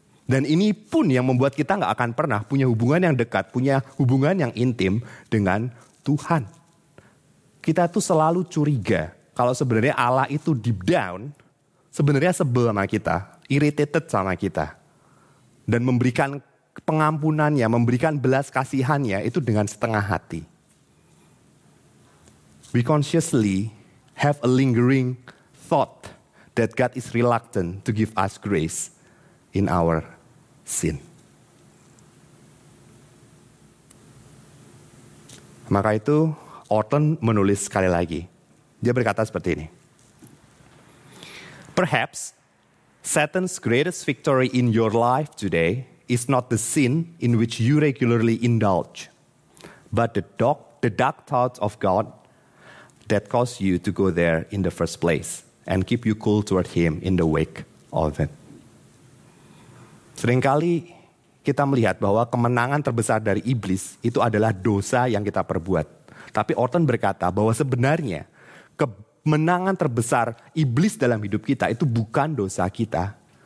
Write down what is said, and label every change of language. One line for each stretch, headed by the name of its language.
Indonesian: Dan ini pun yang membuat kita gak akan pernah punya hubungan yang dekat, punya hubungan yang intim dengan Tuhan. Kita tuh selalu curiga kalau sebenarnya Allah itu
English: deep down,
Indonesian: sebenarnya sebel sama kita,
English: irritated
Indonesian: sama kita. Dan memberikan pengampunannya, memberikan belas kasihannya itu dengan setengah hati.
English: We consciously have a lingering thought that God is reluctant to give us grace in our sin.
Indonesian: Maka itu, Orton menulis sekali lagi. Dia berkata seperti ini.
English: Perhaps Satan's greatest victory in your life today is not the sin in which you regularly indulge, but the dark thoughts of God that caused you to go there in the first place and keep you cool toward him in the wake of it.
Indonesian: Seringkali kita melihat bahwa kemenangan terbesar dari iblis itu adalah dosa yang kita perbuat. Tapi Orton berkata bahwa sebenarnya kemenangan terbesar iblis dalam hidup kita itu bukan dosa kita.